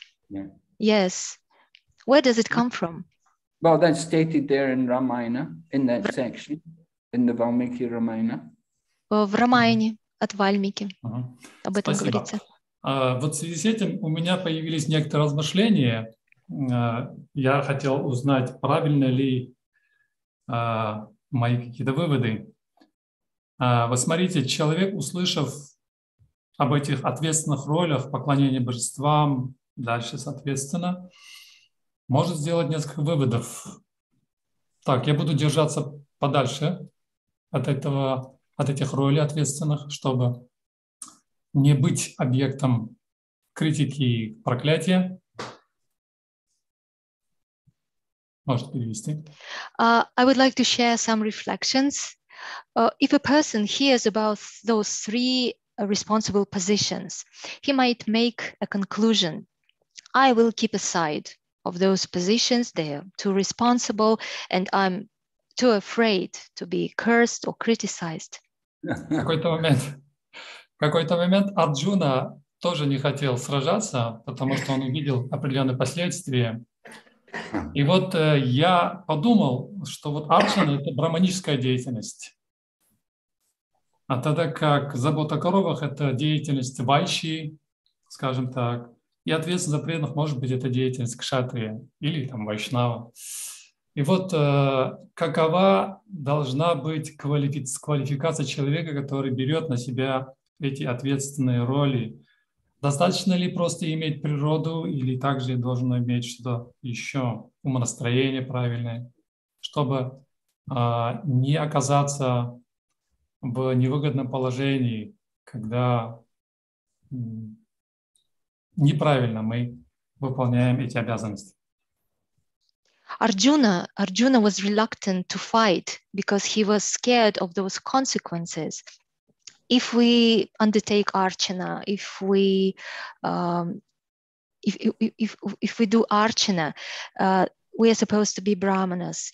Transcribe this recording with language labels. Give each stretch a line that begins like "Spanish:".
English: Yeah. Yes. Where does it come from? Well, that's stated there in Ramayana, in that section, in the Valmiki Ramayana.
Russian: В Рамайне от Вальмики. Uh-huh. Об этом Спасибо. Говорится. Вот в связи с этим у меня появились некоторые размышления. Я хотел узнать, правильно ли мои какие-то выводы. Вот смотрите, человек, услышав об этих ответственных ролях, поклонении божествам, дальше, соответственно, может сделать несколько выводов. Так, я буду держаться подальше от этого, от этих ролей ответственных, чтобы не быть объектом критики и проклятия. Может перевести?
English: I would like to share some reflections. If a person hears about those three responsible positions, he might make a conclusion. I will keep aside of those positions. They are too responsible, and I'm too afraid to be cursed or criticized.
Russian: В какой-то момент Арджуна тоже не хотел сражаться, потому что он увидел определенные последствия. И вот я подумал, что вот Арджуна — это брахманическая деятельность. А тогда как забота о коровах — это деятельность вайши, скажем так, и ответственность за преданных, может быть, это деятельность кшатрия или там вайшнава. И вот какова должна быть квалификация человека, который берет на себя эти ответственные роли? Достаточно ли просто иметь природу или также должен иметь что-то еще, умонастроение правильное, чтобы не оказаться в невыгодном положении, когда неправильно мы выполняем эти обязанности?
English: Arjuna was reluctant to fight because he was scared of those consequences. If we undertake archana, if we do archana, we are supposed to be brahmanas.